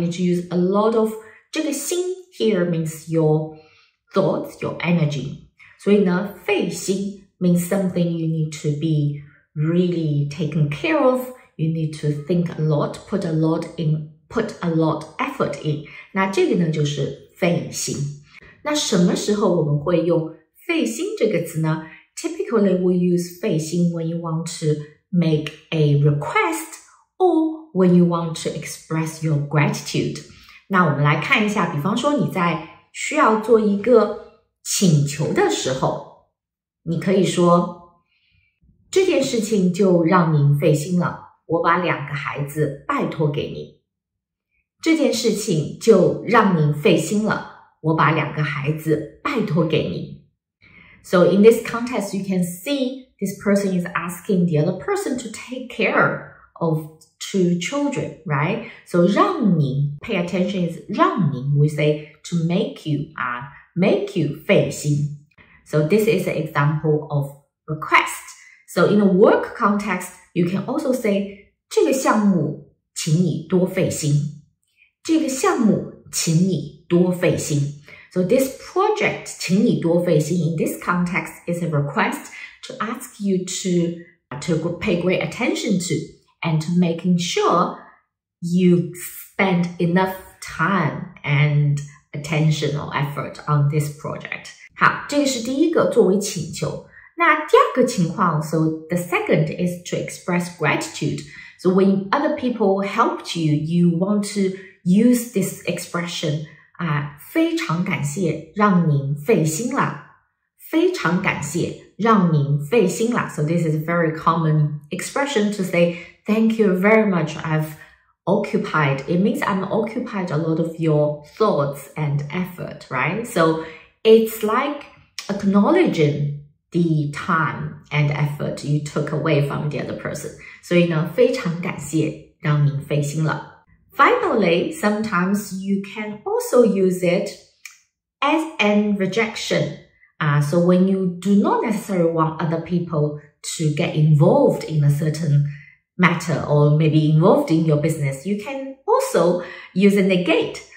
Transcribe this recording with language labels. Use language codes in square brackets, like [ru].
[en] You need to use a lot of, [zh] 这个心 [en] here means your thoughts, your energy. [zh] 所以呢， [en] 费心 means something you need to be really taken care of. You need to think a lot, put a lot effort in. [zh] 那这个呢就是费心。那什么时候我们会用费心这个词呢？ [en] Typically, we use 费心 when you want to make a request,or when you want to express your gratitude. [zh] 那我们来看一下，比方说你在需要做一个请求的时候，你可以说，这件事情就让您费心了，我把两个孩子拜托给你。这件事情就让您费心了，我把两个孩子拜托给你。 [en] So in this context, you can see this person is asking the other person to take care of two children, right? So [zh] 让您 [en] pay attention is 让您 we say to make you 费心 So this is an example of request. So in a work context, you can also say [zh] 这个项目请你多费心 [en] 这个项目 [zh] 请你多费心 [en] So this project 请你多费心 in this context is a request to ask you to pay great attention to. And making sure you spend enough time and attention or effort on this project. [zh] 好，这个是第一个作为请求。那第二个情况 ， [en] so the second is to express gratitude. So when other people helped you, you want to use this expression. [zh] 啊，非常感谢，让您费心啦。非常感谢，让您费心啦。 [en] So this is a very common expression to say. Thank you very much. I've occupied. It means I'm occupied a lot of your thoughts and effort, right? So it's like acknowledging the time and effort you took away from the other person. [zh] 所以呢，非常感谢让您费心了。 [en] Finally, sometimes you can also use it as an rejection. So when you do not necessarily want other people to get involved in a certain matter or maybe involved in your business, you can also use a negate.